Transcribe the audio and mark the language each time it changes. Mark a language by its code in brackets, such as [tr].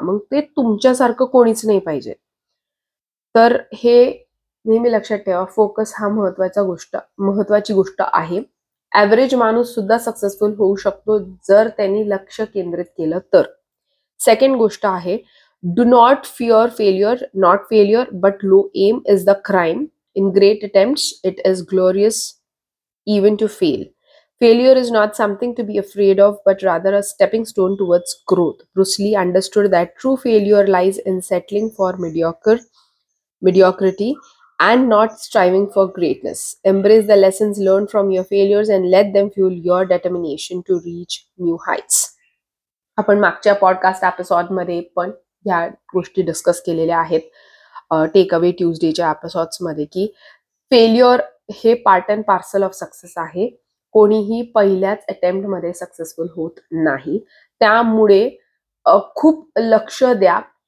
[mr] मग ते तुमच्यासारखं कोणीच नाही पाहिजे. तर हे नेहमी लक्षात ठेवा, फोकस हा महत्वाची गोष्ट आहे. ॲव्हरेज माणूस सुद्धा सक्सेसफुल होऊ शकतो जर त्यांनी लक्ष केंद्रित केलं तर. [en] second [mr] गोष्ट आहे, [en] Do not fear failure, not failure but low aim is the crime. In great attempts it is glorious even to fail. Failure is not something to be afraid of, but rather a stepping stone towards growth. Bruce Lee understood that true failure lies in settling for mediocrity and not striving for greatness. Embrace the lessons learned from your failures and let them fuel your determination to reach new heights. [mr] आपण मागच्या podcast एपिसोडमध्ये पण या गोष्टी discuss केलेल्या आहेत, takeaway ट्यूजडेच्या एपिसोड्समध्ये, की failure हे [en] part and parcel of success [mr] आहे. कोणीही पहिल्याच अटेम्प्टमध्ये सक्सेसफुल होत नाही, त्यामुळे खूप लक्ष द्या.